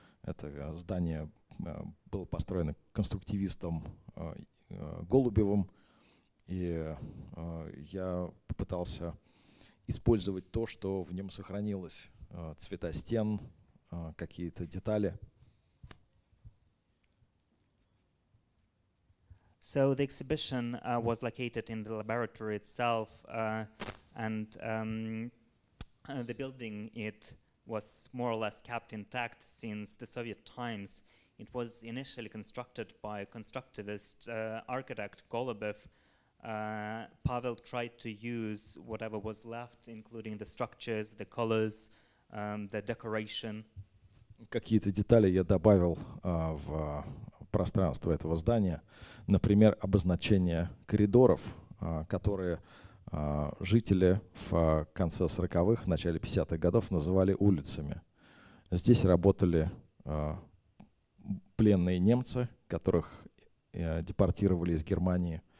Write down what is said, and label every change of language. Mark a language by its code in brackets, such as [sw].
[ru] Это здание было построено конструктивистом Голубевым, и я попытался использовать то, что в нем сохранилось, цвета стен, какие-то детали. [en] So the exhibition was located in the laboratory itself, and the building, it was more or less kept intact since the Soviet times. It was initially constructed by a constructivist architect, Golubev. Pavel tried to use whatever was left, including the structures, the colors, the decoration. [ru] Какие-то детали я добавил в пространство этого здания. Например, обозначение коридоров, которые жители в конце 40-х, начале 50-х годов называли улицами. Здесь работали пленные немцы, которых депортировали из Германии.